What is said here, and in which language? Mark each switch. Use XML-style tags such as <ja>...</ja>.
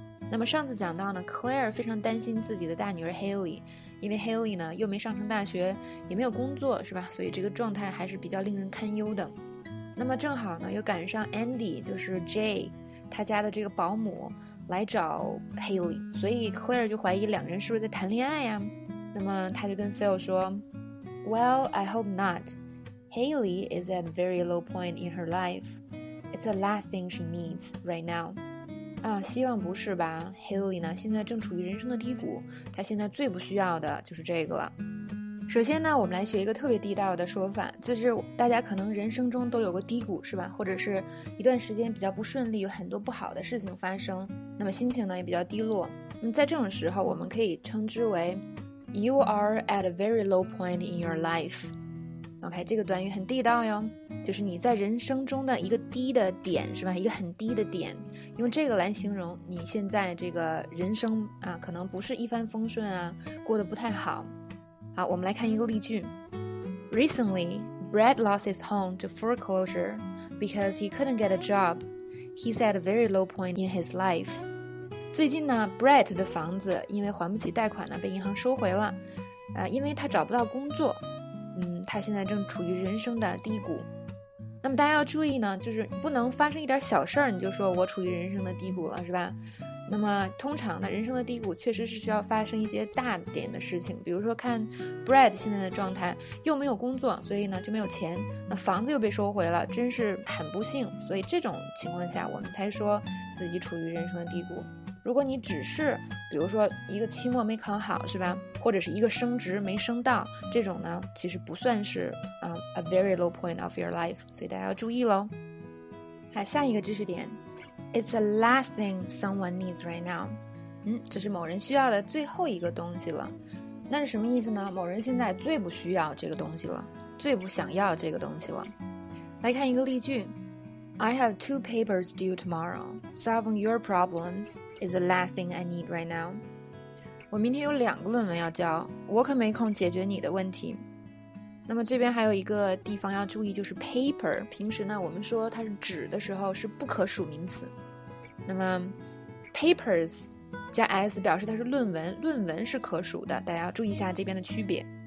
<zh>那么上次讲到呢 ，Claire 非常担心自己的大女儿 Haley， 因为 Haley 呢又没上成大学，也没有工作，是吧？所以这个状态还是比较令人堪忧的。那么正好呢，又赶上 Andy 就是 Jay 他家的这个保姆来找 Haley， 所以 Claire 就怀疑两个人是不是在谈恋爱呀？那么他就跟 Phil 说 ， Well, I hope not.</zh> <en>Haley is at a very low point in her life. It's the last thing she needs right now.</en> <zh>啊，希望不是吧。 Haley 呢，现在正处于人生的低谷，她现在最不需要的就是这个了。首先呢，我们来学一个特别地道的说法，就是大家可能人生中都有个低谷，是吧？或者是一段时间比较不顺利，有很多不好的事情发生，那么心情呢也比较低落。在这种时候，我们可以称之为 You are at a very low point in your life. OK， 这个短语很地道哟，就是你在人生中的一个低的点，是吧？一个很低的点，用这个来形容你现在这个人生啊，可能不是一帆风顺啊，过得不太好。好，我们来看一个例句。</zh> <en>Recently, Brad lost his home to foreclosure because he couldn't get a job. He's at a very low point in his life.</en> <zh>最近呢 ，Brad 的房子因为还不起贷款呢，被银行收回了，因为他找不到工作。他现在正处于人生的低谷。那么大家要注意呢，就是不能发生一点小事儿你就说我处于人生的低谷了，是吧？那么通常呢，人生的低谷确实是需要发生一些大点的事情，比如说看 Brad 现在的状态，又没有工作，所以呢就没有钱，那房子又被收回了，真是很不幸。所以这种情况下我们才说自己处于人生的低谷。如果你只是比如说一个期末没考好，是吧？或者是一个升职没升到，这种呢其实不算是 a very low point of your life，所以大家要注意咯。好，下一个知识点， It's the last thing someone needs right now。这是某人需要的最后一个东西了。那是什么意思呢？某人现在最不需要这个东西了，最不想要这个东西了。来看一个例句。</zh> <en>I have two papers due tomorrow. Solving your problems is the last thing I need right now.</en> <zh>我明天有两个论文要交，我可没空解决你的问题。那么这边还有一个地方要注意，就是 paper。平时呢，我们说它是纸的时候是不可数名词。那么 papers 加 s 表示它是论文，论文是可数的，大家要注意一下这边的区别。</zh>